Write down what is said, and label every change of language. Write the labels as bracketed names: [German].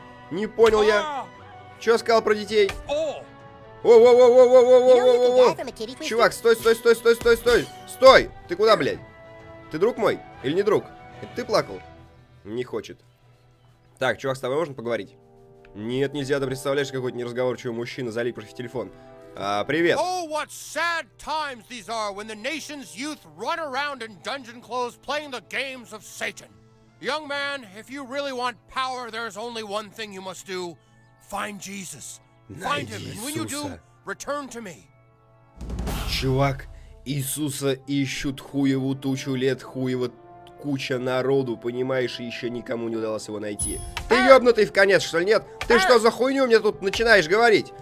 [Russian] Не понял я. Чё сказал про детей? О-о-о-о-о-о-о-о-о-о-о-о-о-о-о! Чувак, стой! Стой! Ты куда, блядь? Ты друг мой? Или не друг? Это ты плакал? Не хочет. Так, чувак, с тобой можно поговорить? Нет, нельзя, ты представляешь, какой-то неразговорчивый мужчина залип против телефон. А, привет. [English] Oh, what sad times these are when the nation's youth run around in dungeon clothes playing the games of Satan. Young man, if you really want power, there's only one thing you must do. Find Jesus. Find him, and when you do, return to me. [Russian] Чувак, Иисуса ищут хуеву тучу лет, хуева куча народу, понимаешь, и еще никому не удалось его найти. Ты ёбнутый в конец, что ли, нет? Ты что за хуйню мне тут начинаешь говорить?